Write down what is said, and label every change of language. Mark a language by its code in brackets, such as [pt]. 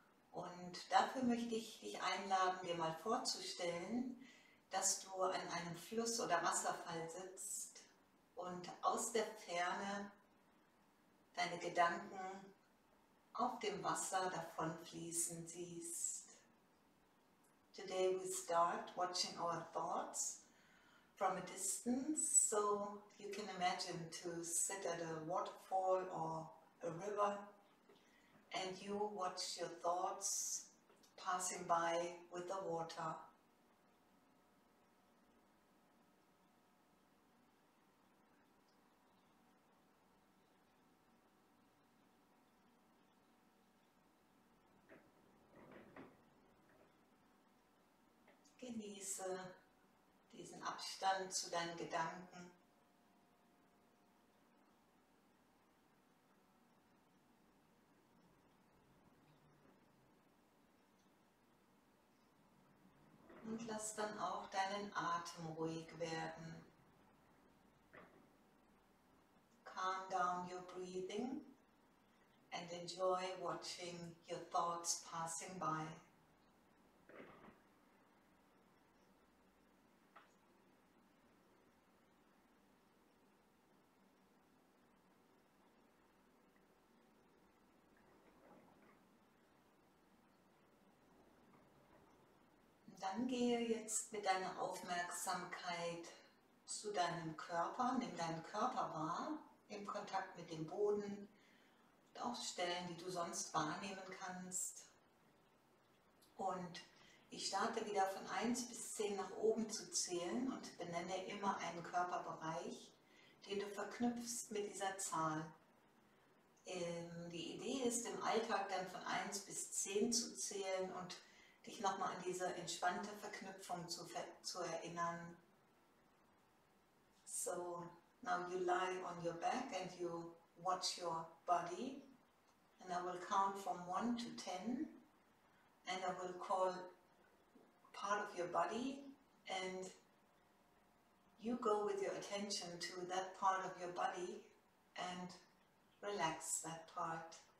[de] Und dafür möchte ich dich einladen, dir mal vorzustellen, dass du an einem Fluss oder Wasserfall sitzt und aus der Ferne deine Gedanken auf dem Wasser davonfließen siehst. [en] Today we start watching our thoughts from a distance, so you can imagine to sit at a waterfall or a river and you watch your thoughts passing by with the water. [de] Genieße diesen Abstand zu deinen Gedanken. Und lass dann auch deinen Atem ruhig werden. [en] Calm down your breathing and enjoy watching your thoughts passing by. [de] Dann gehe jetzt mit deiner Aufmerksamkeit zu deinem Körper, nimm deinen Körper wahr, im Kontakt mit dem Boden und auch Stellen, die du sonst wahrnehmen kannst. Und ich starte wieder von 1 bis 10 nach oben zu zählen und benenne immer einen Körperbereich, den du verknüpfst mit dieser Zahl. Die Idee ist, im Alltag dann von 1 bis 10 zu zählen und dich nochmal an diese entspannte Verknüpfung zu erinnern. [en] So, now you lie on your back and you watch your body. And I will count from 1 to 10. And I will call part of your body. And you go with your attention to that part of your body and relax that part.